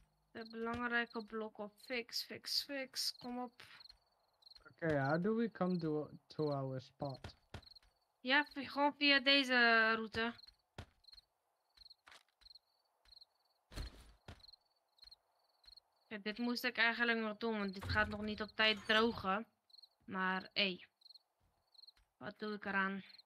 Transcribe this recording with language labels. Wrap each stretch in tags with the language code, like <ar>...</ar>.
<nl>De belangrijke blok op fix, kom op.</nl> <en>Oké, how do we come to our spot?</en> <nl>Ja, gewoon via deze route. Ja, dit moest ik eigenlijk nog doen, want dit gaat nog niet op tijd drogen. Maar, hey. Wat doe ik eraan?</nl>